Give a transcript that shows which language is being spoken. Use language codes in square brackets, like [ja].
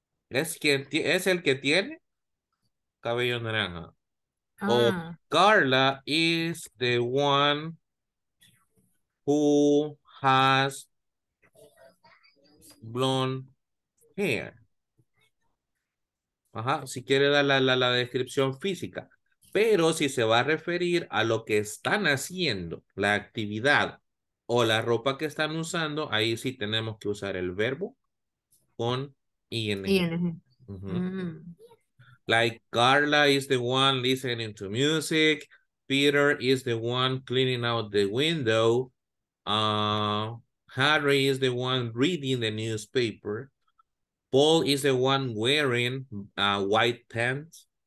[es] Es el que tiene cabello naranja. Ah. [en] Oh, Carla is the one who has blonde hair. [es] Ajá, si quiere dar la descripción física, pero si se va a referir a lo que están haciendo, la actividad o la ropa que están usando, ahí sí tenemos que usar el verbo con ing. [en] ING. Uh-huh. Like Carla is the one listening to music, Peter is the one cleaning out the window, Harry is the one reading the newspaper. Paul is the one wearing white pants.